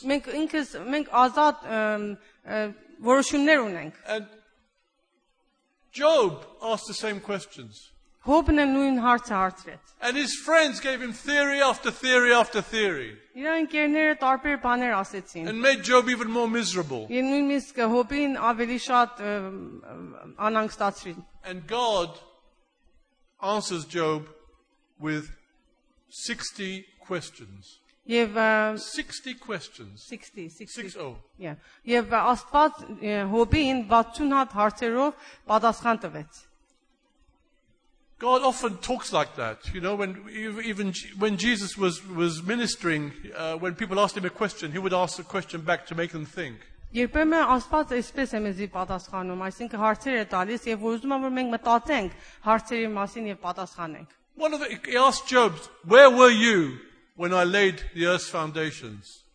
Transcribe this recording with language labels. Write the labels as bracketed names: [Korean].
[Armenian] Մենք ինքս մենք ազատ որոշումներ ունենք. [English] And Job asked the same questions. [Armenian] Հոբն էլ նույն հարցը հարցրեց. [English] And his friends gave him theory after theory after theory. [Armenian] Իր ընկերները տարբեր բաներ ասացին. [English] And made Job even more miserable. [Armenian] Եվ նույնիսկ Հոբին ավելի շատ անհանգստացրին. [English] And God answers Job with 60 questions. [Armenian] Եվ [English] 60 questions. 60. Yeah. [Armenian] Եվ Աստված Հոբին 60 հատ հարցերով պատասխան տվեց. [English] God often talks like that, you know, when Jesus was ministering, when people asked him a question, he would ask a question back to make them think. [Armenian] Երբեմն Աստված այսպես է մեզի պատասխանում, այսինքն հարցեր է տալիս եւ ուզում է որ մենք մտածենք հարցերի մասին եւ պատասխանենք. [English] One of the, he asked Job, "Where were you when I laid the earth's foundations?"